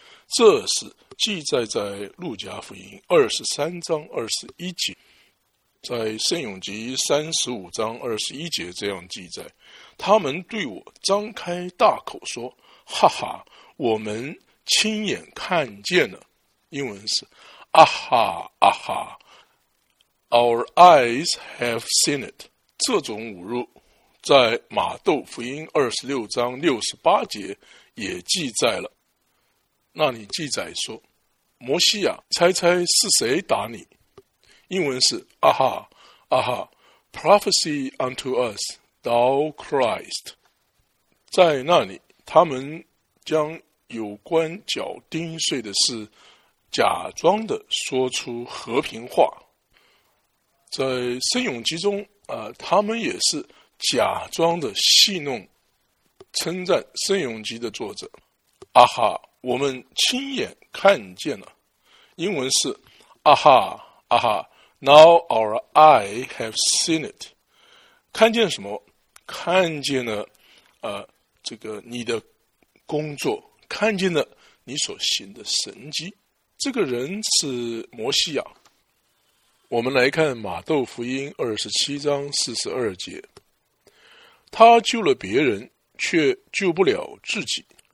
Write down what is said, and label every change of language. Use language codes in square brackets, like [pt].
[zh] 这是记载在路加福音23:21，在圣咏集35:21这样记载，他们对我张开大口说，哈哈，我们亲眼看见了。英文是啊哈啊哈， [en] Our eyes have seen it。 [zh] 这种侮辱在马窦福音26:68也记载了，那里记载说，摩西亚，猜猜是谁打你？英文是啊哈啊哈， [en] Prophecy unto us, thou Christ。 [zh] 在那里他们将有关脚钉碎的事假装的说出和平话，在圣咏集中他们也是假装的戏弄称赞圣咏集的作者，啊哈，我们亲眼看见了。英文是啊哈啊哈， [en] Now our eye have seen it。 [zh] 看见什么？看见了这个你的工作，看见了你所行的神迹。这个人是摩西亚。我们来看马窦福音27:42，他救了别人，却救不了自己。